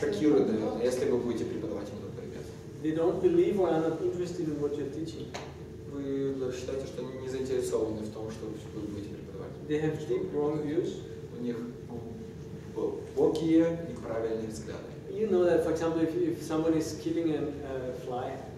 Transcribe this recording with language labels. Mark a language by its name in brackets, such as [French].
[Russian] Шокирует, наверное, если вы будете преподавать им этот предмет. [English] They don't believe or are not interested in what you're teaching. [Russian] Вы считаете, что они не заинтересованы в том, что вы будете преподавать? [English] They have deep wrong views. [Russian] У них глубокие неправильные взгляды. [English] You know that, for example, if somebody is killing a fly.